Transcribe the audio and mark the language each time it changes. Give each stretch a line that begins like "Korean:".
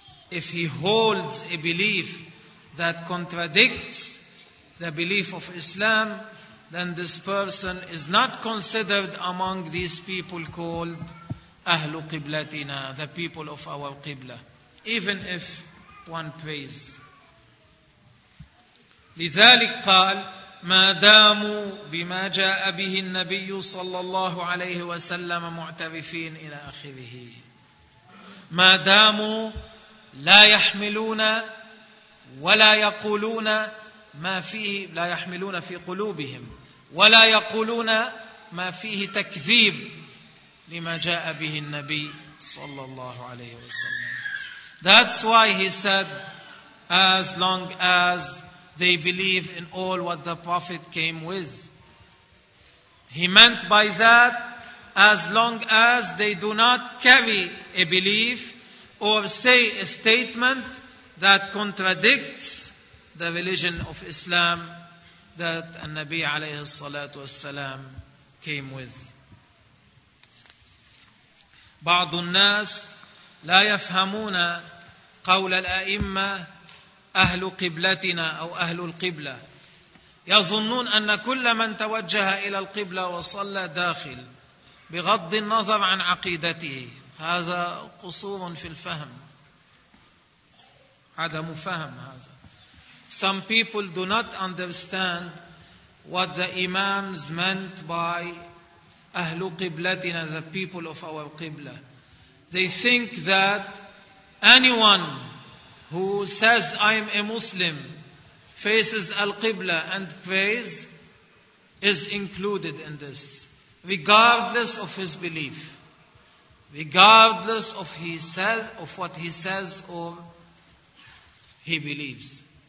English: If he holds a belief that contradicts the belief of Islam, then this person is not considered among these people called Ahlu Qiblatina, the people of our Qibla, even if one prays.
Arabic: لذلك قال ما داموا بما جاء به النبي صلى الله عليه وسلم معترفين إلى آخره، ما داموا لا يحملون ولا يقولون ما فيه، لا يحملون في قلوبهم ولا يقولون ما فيه تكذيب لما جاء به النبي صلى الله عليه وسلم.
English: That's why he said, as long as they believe in all what the Prophet came with. He meant by that, as long as they do not carry a belief or say a statement that contradicts the religion of Islam that
Arabic: an-Nabi alayhi salatu wasalam
English: came with.
Arabic: بعض الناس لا يفهمون قول الأئمة أهل قبلتنا أو أهل القبلة، يظنون أن كل من توجه إلى القبلة وصلى داخل بغض النظر عن عقيدته. هذا قصور في الفهم، عدم فهم هذا.
English: Some people do not understand what the imams meant by
Arabic: أهل قبلتنا,
English: the people of our قبلة. They think that anyone who says I'm a Muslim, faces al-Qibla and prays, is included in this, regardless of his belief, regardless of he says, of what he says or he believes.